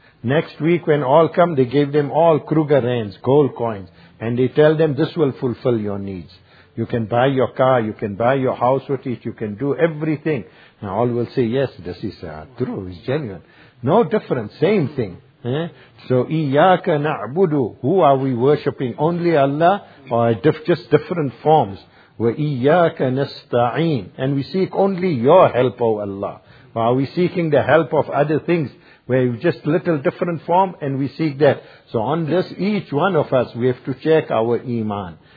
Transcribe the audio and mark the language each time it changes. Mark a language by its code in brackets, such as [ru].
[en] Next week when all come, they give them all Kruger rands, gold coins. And they tell them, this will fulfill your needs. You can buy your car, you can buy your house with it, you can do everything. And all will say, yes, this is true, it's genuine. No difference, same thing. [ar] So, إِيَّاكَ نَعْبُدُ. [en] Who are we worshipping? Only Allah? Or just different forms? [ar] وَإِيَّاكَ نَسْتَعِينَ. [en] And we seek only your help, O Allah. Or are we seeking the help of other things? Where just little different form and we seek that. So on this, each one of us, we have to check our iman.